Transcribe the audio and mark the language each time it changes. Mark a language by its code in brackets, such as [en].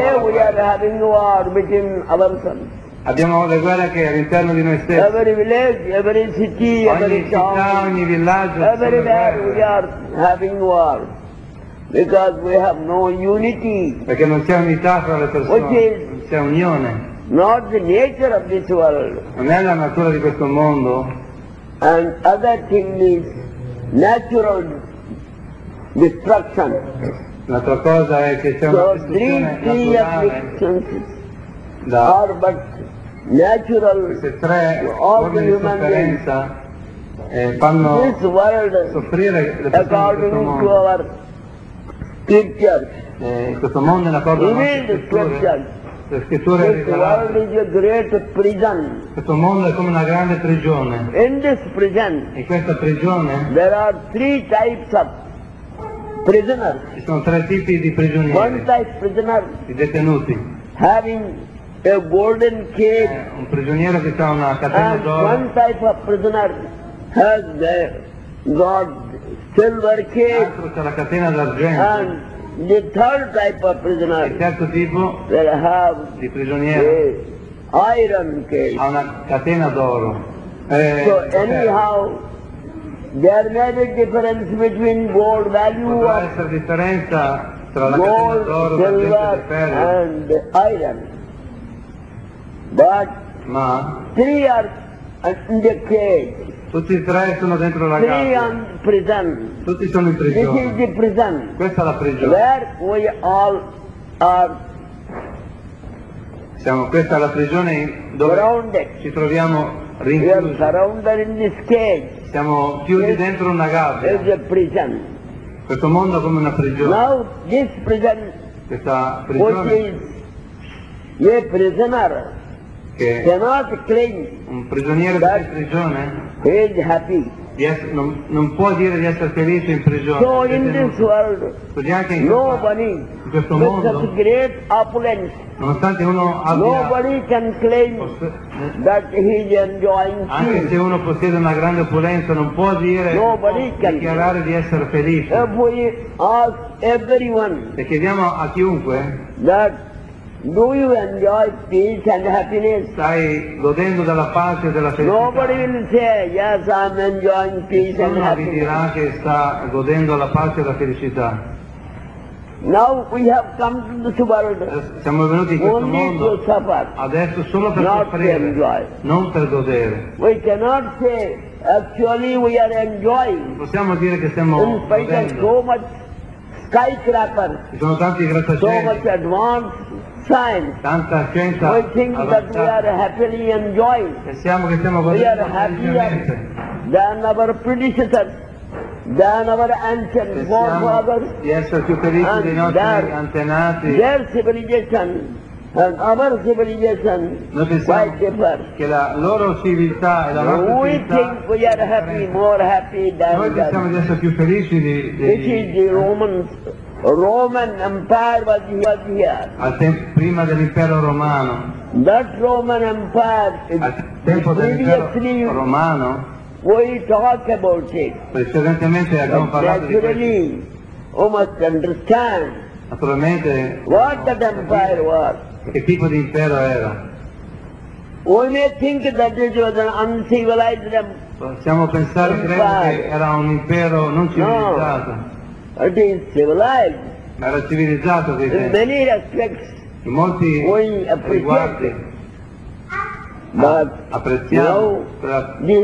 [en] Every day we are having war between ourselves. [it] Abbiamo le guerre che all'interno di noi stessi. [en] Every village, every city, [it] ogni città, ogni villaggio. [en] Every day we are having war because we have no unity. [it] Perché non c'è unità fra le persone. [en] Which is [it] non c'è unione. [en] Not the nature of this world. [it] Non è la natura di questo mondo. [en] And other thing is natural destruction. [it] L'altra cosa è che c'è una distruzione naturale. [en] Da are but natural [it] tre [en] organ human beings [it] fanno [en] this world [it] soffrire [en] according to our scriptures. [it] Questo mondo è d'accordo con le scritture. [en] This world is a great prison. [it] Questo mondo è come una grande prigione. [en] In this prison, [it] in questa prigione [en] there are three types of prisoners. [it] Ci sono tre tipi di prigionieri. [en] One type prisoner, [it] i detenuti [en] having a golden cage. [it] Un prigioniero che ha una catena d'oro. [en] One type of prisoner has the gold silver cage. [it] Altro c'è la catena d'argento. [en] And the third type of prisoner. [it] Il terzo tipo. [en] They have [it] di prigioniero. [en] A iron cage. [it] Ha una catena d'oro. [en] So anyhow, there may be difference between gold value. [it] Può essere differenza tra la gold, catena d'oro, [en] silver, [it] l'argento e ferro. [en] And the iron. But [it] ma [en] three are in the cage. [it] Tutti e tre sono dentro la [en] three [it] gabbia. [en] In prison. [it] Tutti sono in prigione. [en] This is the prison. [it] Questa è la prigione. [en] Where we all are. [it] Siamo, questa è la prigione dove [en] grounded. [it] Ci troviamo rinchiusi. [en] We are surrounded in this cage. [it] Siamo chiusi [en] this [it] dentro una gabbia. [en] Is a prison. [it] Questo mondo è come una prigione. [en] Now this prison. [it] Questa prigione. [en] A prisoner [it] che [en] cannot claim [it] un prigioniero di prigione [en] he is happy. [it] Non può dire di essere felice in prigione. [en] So in this world, [it] anche in [en] nobody [it] in questo mondo, [en] with such great opulence, [it] nonostante uno abbia [en] nobody can claim that he is enjoying peace. [it] Anche se uno possiede una grande opulenza, non può dire [en] nobody [it] può dichiarare [en] can [it] di essere felice. [en] If we ask everyone, [it] e chiediamo a chiunque [en] that do you enjoy peace and happiness? [it] Stai godendo della pace e della felicità. [en] Nobody will say, yes, I'm enjoying peace and happiness. [it] Nessuno vi dirà che sta godendo la pace e la felicità. [en] Now we have come to this world. [it] Siamo venuti in questo mondo. [en] Only to suffer. [it] Adesso solo per soffrire. [en] Not to enjoy. [it] Non per godere. [en] We cannot say, actually we are enjoying. [it] Possiamo dire che stiamo godendo. [en] In spite of so much skyscraper. [it] Ci sono tanti grattacieli. [en] So much advanced. [it] Tanta scienza [en] we think [it] avanzata. [en] That we are happily enjoying. [it] Pensiamo che stiamo godendo. [en] We are happier than our predecessors, than our ancient forefathers. [it] Di essere più felici dei nostri antenati. [en] Their civilization and our civilization. [it] Noi pensiamo che la loro civiltà e la nostra [en] we [it] civiltà. [en] Think we are happy, more happy than [it] noi pensiamo di essere più felici di [en] which is the Romans. Roman Empire was here. [it] Al tempo prima dell'Impero Romano. [en] That Roman Empire. [it] Al tempo dell'Impero Romano. [en] We talk about it. [it] Precedentemente abbiamo parlato di questo. [en] You must understand. [it] Naturalmente. [en] What that empire was. [it] Che tipo di impero era. [en] We may think that it was an uncivilized empire. [it] Possiamo pensare, credo, che era un impero non civilizzato. [en] No, I didn't civilize. [it] Ma era civilizzato, dice. [en] In many respects, [it] in molti riguardi. [en] But [it] apprezziamo, [en] you know, la